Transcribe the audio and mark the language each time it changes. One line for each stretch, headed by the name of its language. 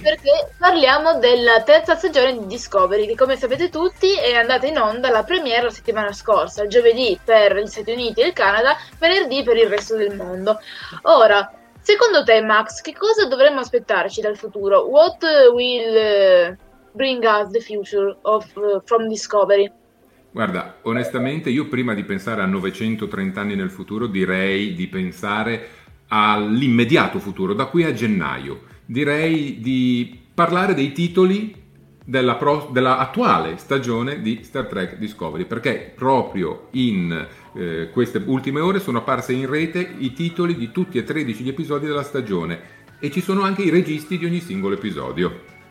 Italian: Perché parliamo della terza stagione di Discovery, che come sapete tutti è andata in onda la premiere la settimana scorsa, il giovedì per gli Stati Uniti e il Canada, venerdì per il resto del mondo. Ora, secondo te, Max, che cosa dovremmo aspettarci dal futuro?
English: What will... bring us the future of from Discovery.
Italian: Guarda, onestamente io prima di pensare a 930 anni nel futuro direi di pensare all'immediato futuro, da qui a gennaio. Direi di parlare dei titoli della attuale stagione di Star Trek Discovery, perché proprio in queste ultime ore sono apparse in rete i titoli di tutti e 13 gli episodi della stagione e ci sono anche i registi di ogni singolo episodio.